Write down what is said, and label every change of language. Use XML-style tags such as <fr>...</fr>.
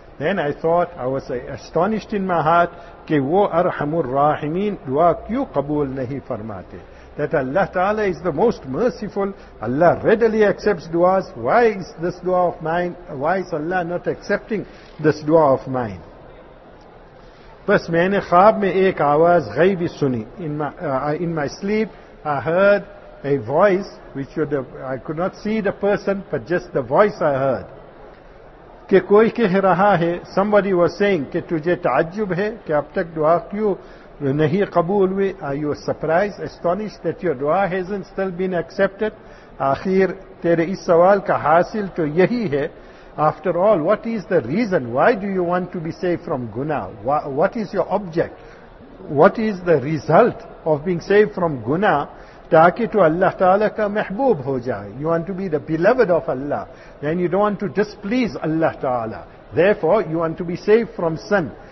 <en>Then I thought, I was astonished in my heart,</en> <ur>ke wo arhamur rahimin dua kyu qabool nahi farmate.</ur> <en>That Allah Ta'ala is the most merciful, Allah readily accepts duas, why is this dua of mine, why is Allah not accepting this dua of mine?</en> <ur>بس میں نے خواب میں ایک آواز غیبی سنی.</ur> <en>In my sleep, I heard a voice which would have, I could not see the person, but just the voice I heard.</en> <ur>کہ کوئی کہہ رہا ہے,</ur> <en>somebody was saying,</en> <ur>کہ تجھے تعجب ہے کہ اب تک دعا کیوں نہیں قبول ہوئی.</ur> <en>Are you surprised, astonished that your dua hasn't still been accepted?</en> <ur>آخر تیرے اس سوال کا حاصل تو یہی ہے.</ur> <en>After all, what is the reason? Why do you want to be saved from guna? What is your object? What is the result of being saved from guna?</en> <ur>Taaki to Allah Ta'ala ka mehboob ho jaye.</ur> <en>You want to be the beloved of Allah. Then you don't want to displease Allah Ta'ala. Therefore, you want to be saved from sin.</en>